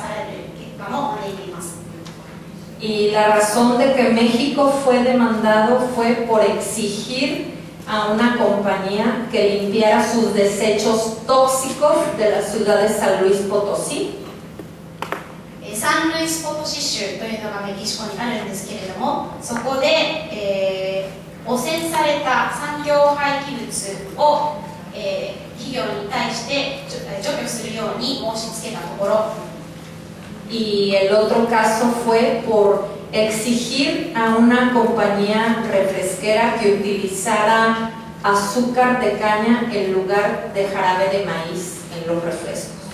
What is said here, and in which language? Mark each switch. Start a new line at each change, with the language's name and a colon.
Japanese: すみませんでした。今ナフタに合意して以来、国企業が国を訴えるISD条項というものを適用されていますので、その結果メキシコの政府が入ってきた企業に訴えられることによって20億ドル以上の損害賠償を支払わされる結果も招いています。
Spanish: Y la razón de que México fue demandado fue por exigir a una compañía que limpiara sus desechos tóxicos de la ciudad de San Luis Potosí.
Japanese: San Luis Potosí 州というのがメキシコにあるんですけれども、そこで 汚染された産業廃棄物を 企業に対して除去するように申し付けたところ。
Spanish: Y el otro caso fue por exigir a una compañía refresquera que utilizara azúcar de caña en lugar de jarabe de maíz en los refrescos.